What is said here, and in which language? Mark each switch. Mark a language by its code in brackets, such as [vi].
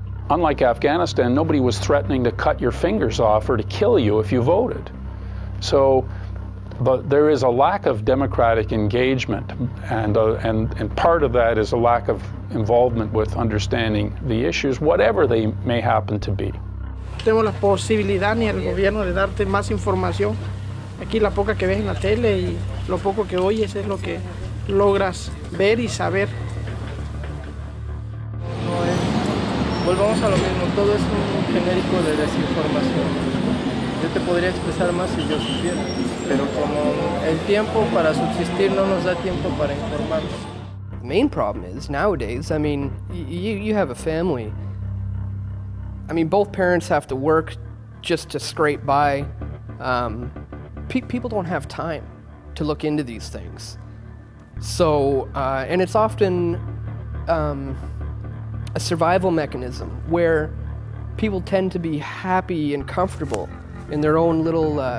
[en] Unlike Afghanistan, nobody was threatening to cut your fingers off or to kill you if you voted. So, but there is a lack of democratic engagement, and part of that is a lack of involvement with understanding the issues, whatever they may happen to be. [es] Tengo la posibilidad ni el gobierno de darte más información. Aquí la poca que ves en la tele y lo poco que oyes es lo que logras ver y saber. Volvamos a lo mismo, todo es un genérico de desinformación. Yo te podría expresar más si yo supiera, pero como el tiempo para subsistir no nos da tiempo para informarnos. [en] The main problem is, nowadays, I mean, you have a family. I mean, both parents have to work just to scrape by. People don't have time to look into these things. So, and it's often, a survival mechanism where people tend to be happy and comfortable in their own little